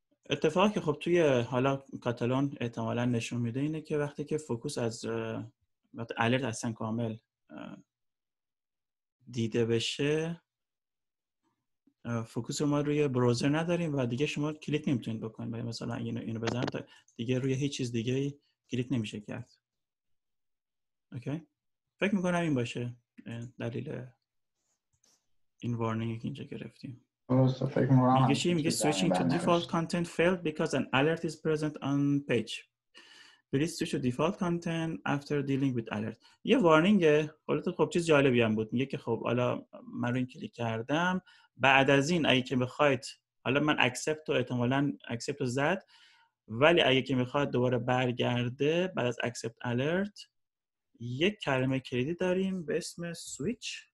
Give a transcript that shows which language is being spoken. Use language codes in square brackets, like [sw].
[fa] اتفاقی که خب توی حالا کاتالون احتمالاً نشون میده اینه که وقتی که فوکوس از وقتی الرت اصلا کامل دیده بشه فوکوس رو ما روی بروزر نداریم و دیگه شما کلیک نمیتونید بکنید. مثلا اینو بزنم تا دیگه روی هیچ چیز دیگه کلیک نمیشه کرد. اوکی؟ فکر میکنم این باشه دلیل این وارنینگی که اینجا گرفتیم. میگه [en] switching to default content failed because an alert is present on page. Please switch to default content after dealing with alert. [fa] یه وارنینگه. البته خب چیز جالبی هم بود. میگه که خب حالا من رو این کلیک کردم. بعد از این اگه که بخواید حالا من accept رو احتمالاً accept رو زد. ولی اگه که میخواد دوباره برگرده بعد از accept alert یک کلمه کلیدی داریم به اسم switch.